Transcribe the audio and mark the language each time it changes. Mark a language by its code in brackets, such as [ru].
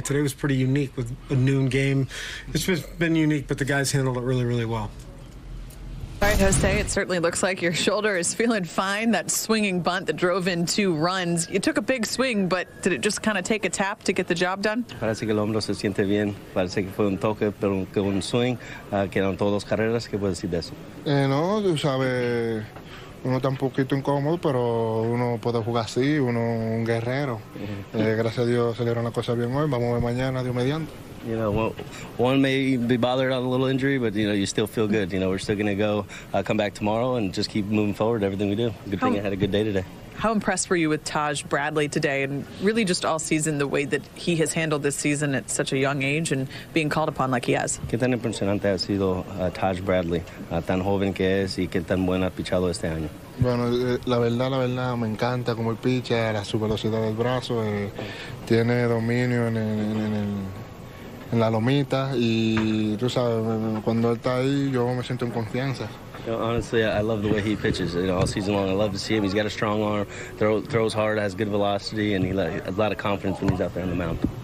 [en] Today was pretty unique with a noon game. It's just been unique, but the guys handled it really, really well. All right, Jose, it certainly looks like your shoulder is feeling fine. That swinging bunt that drove in two runs. You took a big swing, but did it just kind of take a tap to get the job done? [es] Parece que el hombro se siente bien. Parece que fue un toque, pero que un swing. Quedaron todos los carreras. ¿Qué puedo decir de eso? No, tú sabes, uno está un poquito incómodo, pero uno puede jugar así, uno un guerrero. Gracias a Dios salieron las cosas bien hoy. Vamos a ver mañana, Dios mediante. [en] You know, one may be bothered on a little injury, but, you know, you still feel good. You know, we're still going to go come back tomorrow and just keep moving forward, everything we do. Good thing I had a good day today. How impressed were you with Taj Bradley today and really just all season, the way that he has handled this season at such a young age and being called upon like he has? [es] ¿Qué tan impresionante ha sido Taj Bradley? ¿Tan joven que es y qué tan buen ha pichado este año? Bueno, la verdad, me encanta como el picha, la su velocidad del brazo, tiene dominio en la lomita, y tú sabes, cuando él está ahí, yo me siento en confianza. [en] You know, honestly, I love the way he pitches. You know, all season long, I love to see him. He's got a strong arm, throws hard, has good velocity, and he has a lot of confidence when he's out there on the mound.